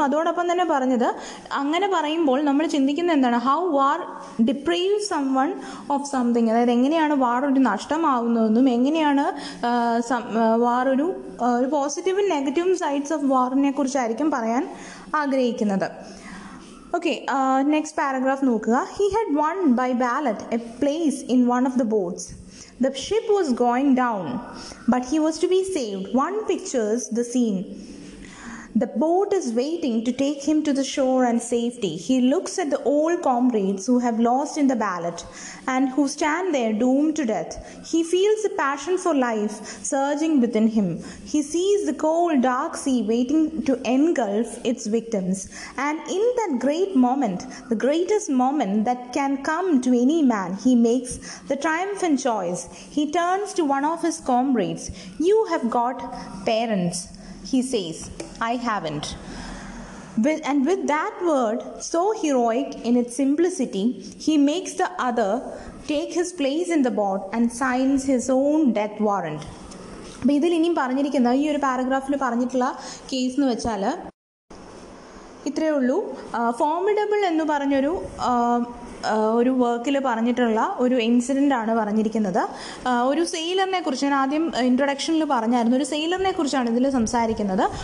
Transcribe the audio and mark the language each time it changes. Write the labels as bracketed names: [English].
[Malayalam] അതോടൊപ്പം തന്നെ പറഞ്ഞത്, അങ്ങനെ പറയുമ്പോൾ നമ്മൾ ചിന്തിക്കുന്നത് എന്താണ്, [English] how war deprive someone of something [Malayalam] അതായത് എങ്ങനെയാണ് വാർ ഒരു നഷ്ടമാവുന്നതെന്നും എങ്ങനെയാണ് വാർ ഒരു പോസിറ്റീവും നെഗറ്റീവും സൈഡ്സ് ഓഫ് വാറിനെ കുറിച്ചായിരിക്കും പറയാൻ ആഗ്രഹിക്കുന്നത്. [English] Okay, next paragraph നോക്കുക. He had won by ballot a place in one of the boats. The ship was going down, but he was to be saved. One pictures the scene. The boat is waiting to take him to the shore and safety. He looks at the old comrades who have lost in the ballot and who stand there doomed to death. He feels a passion for life surging within him. He sees the cold, dark sea waiting to engulf its victims. And in that great moment, the greatest moment that can come to any man, he makes the triumphant choice. He turns to one of his comrades. You have got parents. He says, I haven't. And with that word, so heroic in its simplicity, he makes the other take his place in the boat and signs his own death warrant. [Malayalam] അപ്പോൾ ഇതിൽ ഇനിയും പറഞ്ഞിരിക്കുന്ന ഈ ഒരു പാരഗ്രാഫിൽ പറഞ്ഞിട്ടുള്ള case എന്ന് വെച്ചാൽ ഇത്രയേ ഉള്ളൂ. ഫോർമിഡബിൾ എന്ന് പറഞ്ഞൊരു ഒരു വർക്കിൽ പറഞ്ഞിട്ടുള്ള ഒരു ഇൻസിഡൻ്റാണ് പറഞ്ഞിരിക്കുന്നത്. ഒരു സെയിലറിനെ കുറിച്ച് ഞാൻ ആദ്യം ഇൻട്രൊഡക്ഷനിൽ പറഞ്ഞായിരുന്നു, ഒരു സെയിലറിനെ കുറിച്ചാണ് ഇതിൽ സംസാരിക്കുന്നത്.